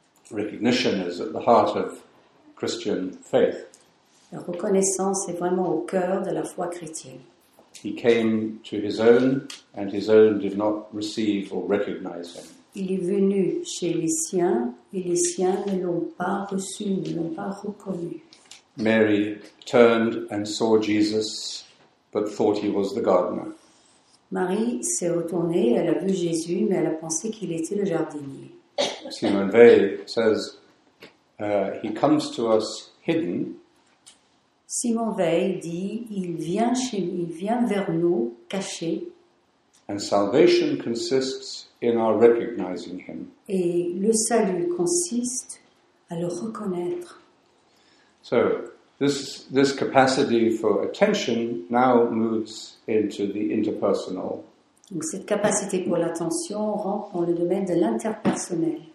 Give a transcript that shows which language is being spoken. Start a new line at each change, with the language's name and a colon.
English: Recognition is at the heart of Christian faith.
French: La reconnaissance est vraiment au cœur de la foi chrétienne.
English: He came to his own, and his own did not receive or recognize him.
French: Il est venu chez les siens, et les siens ne l'ont pas reçu, ne l'ont pas reconnu.
English: Mary turned and saw Jesus, but thought he was the gardener.
French: Marie s'est retournée, elle a vu Jésus, mais elle a pensé qu'il était le jardinier.
English: Simone Weil says, he comes to us hidden.
French: Simone Weil dit, il vient vers nous caché.
English: And salvation consists in our recognizing him.
French: Et le salut consiste à le reconnaître.
English: So, this capacity for attention now moves into the interpersonal.
French: Donc cette capacité pour l'attention rentre dans le domaine de l'interpersonnel.